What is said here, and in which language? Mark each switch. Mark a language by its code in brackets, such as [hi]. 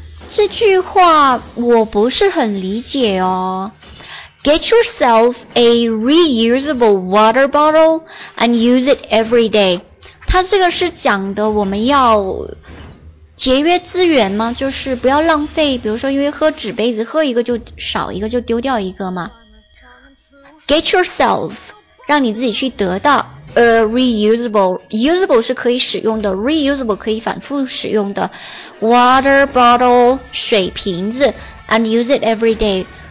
[zh] 这句话我不是很理解哦。 [en] Get yourself a reusable water bottle and use it every day. [zh] 它这个是讲的我们要节约资源吗？就是不要浪费，比如说因为喝纸杯子，喝一个就少一个，就丢掉一个嘛。 Get yourself, 让你自己去得到。 Reusable 是可以使用的， reusable 可以反复使用的 water bottle 水瓶子 [en] and use it every day。